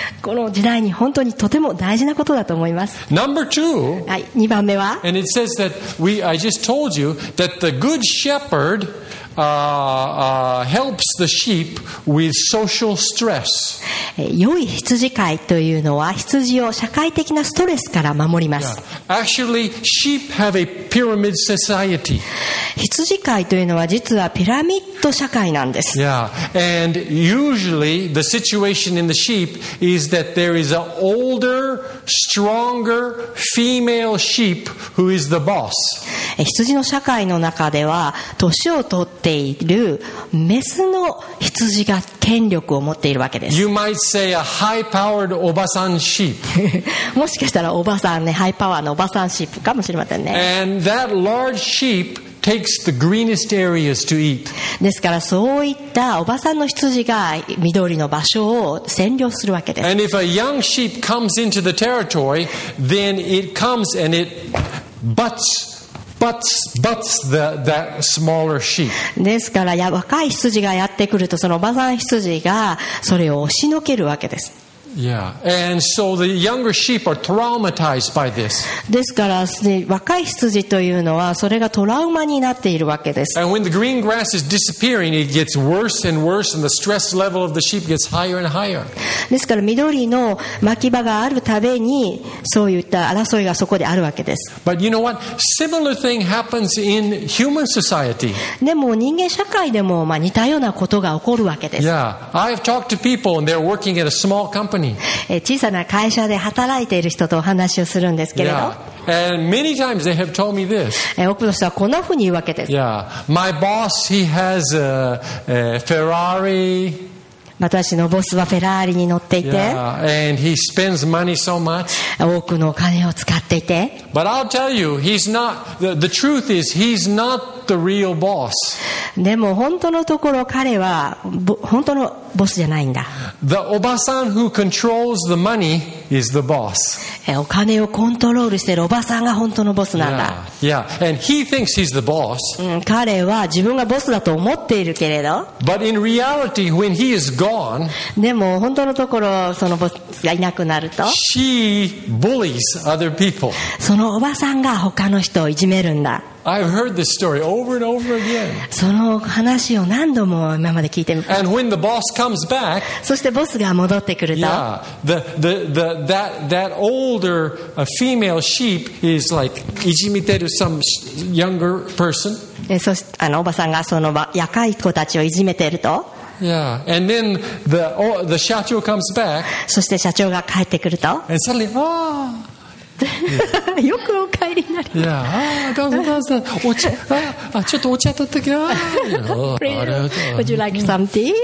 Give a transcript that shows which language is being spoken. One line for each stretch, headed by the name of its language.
Japanese: この時代に本当にとても大事なことだと思います。
English: Number two.
Japanese: はい、2番目は。
English: And it says that we, I just told you that the good shepherd, helps the sheep with social stress.
Japanese: 良い羊飼いというのは羊を社会的なストレスから守ります。
English: Actually, sheep have a pyramid society.
Japanese: 羊飼いというのは実はピラミッド社会なんです。
English: Yeah. And usually the situation in the sheep is that there is an older, stronger female sheep who is the boss.
Japanese: 羊の社会の中では年を取っているメスの羊が権力を持っているわけです。
English: You might say a high-powered おばさん sheep.
Japanese: もしかしたらおばさんね、ハイパワーのおばさん sheep かもしれませんね。
English: And that large sheep takes the greenest areas to eat.
Japanese: ですからそういったおばさんの羊が緑の場所を占領するわけです。
English: And if a young sheep comes into the territory, then it comes and it butts that smaller sheep.
Japanese: ですから若い羊がやってくるとそのおばさん羊がそれを押しのけるわけです。
English: Yeah. And so the younger sheep are traumatized by this.
Japanese: ですから若い羊というのはそれがトラウマになっているわけです。
English: And when the green grass is disappearing, it gets worse and worse, and the stress level of the sheep gets higher and higher.
Japanese: ですから緑の牧場があるたびにそういった争いがそこであるわけです。
English: But you know what? Similar thing happens in human society.
Japanese: でも人間社会でも似たようなことが起こるわけです。
English: Yeah. I have talked to people and they're working at a small company.
Japanese: 小さな会社で働いている人とお話をするんですけれど、yeah.
English: And many times they have told me this.
Japanese: 多くの人はこんなふうに言うわけです。
English: Yeah. My boss, he has a Ferrari.
Japanese: 私のボスはフェラーリに乗っていて、
English: yeah. And he spends money so much.
Japanese: 多くのお金を使っていて、
English: But I'll tell you, he's not, the truth is, he's not the real boss.
Japanese: でも本当のところ彼は本当のボスじゃないんだ。
English: The おばさん who controls the money is the boss.
Japanese: お金をコントロールしているおばさんが本当のボスなんだ。
English: Yeah, yeah. And he thinks he's the boss.
Japanese: 彼は自分がボスだと思っているけれど。
English: But in reality, when he is gone,
Japanese: でも本当のところそのボスがいなくなると、
English: she bullies other people.
Japanese: そのおばさんが他の人をいじめるんだ。
English: I've heard this story over and over again.
Japanese: その話を何度も今まで聞いてる。
English: And when the boss comes back,
Japanese: そしてボスが戻ってくると、
English: yeah, that older female sheep is like いじめてる some younger person.
Japanese: そしてあのおばさんがその若い子たちをいじめてると、
English: yeah, and then the 社長 comes back,
Japanese: そして社長が帰ってくると、
English: and suddenly,
Japanese: よくお帰りになります
English: 。 Yeah.
Japanese: ああ、お茶、ああ、ちょっとお茶取ってきな。
English: Please, would you like some tea?